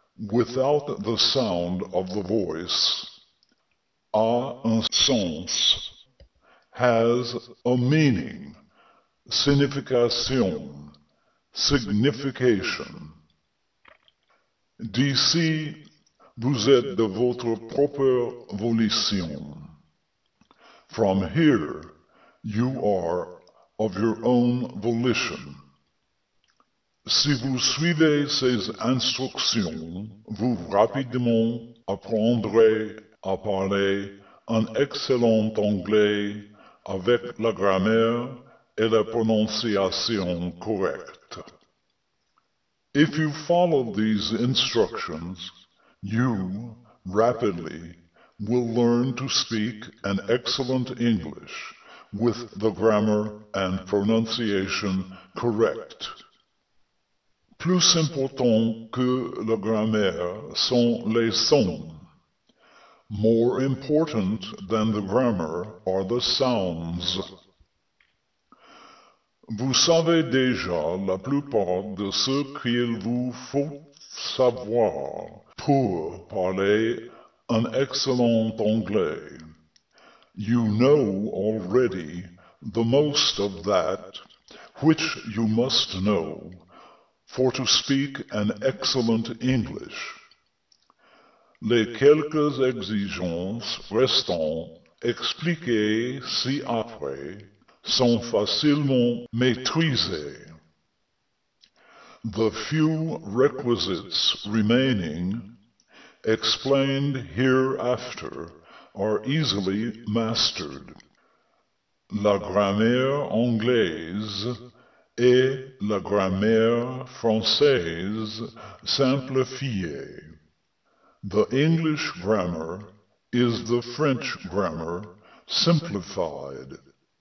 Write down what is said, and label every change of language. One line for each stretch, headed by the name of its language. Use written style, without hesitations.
English: Without the sound of the voice,
French: a un sens,
English: has a meaning, signification, signification.
French: D'ici, vous êtes de votre propre volition.
English: From here, you are of your own volition.
French: Si vous suivez ces instructions, vous rapidement apprendrez à parler un excellent anglais avec la grammaire et la prononciation correcte.
English: If you follow these instructions, you rapidly will learn to speak an excellent English with the grammar and pronunciation correct.
French: Plus important que la grammaire sont les sons.
English: More important than the grammar are the sounds.
French: Vous savez déjà la plupart de ce qu'il vous faut savoir pour parler un excellent anglais.
English: You know already the most of that which you must know for to speak an excellent English.
French: Les quelques exigences restant expliquées ci-après sont facilement maîtrisées.
English: The few requisites remaining, explained hereafter, are easily mastered.
French: La grammaire anglaise et la grammaire française simplifiée.
English: The English grammar is the French grammar simplified.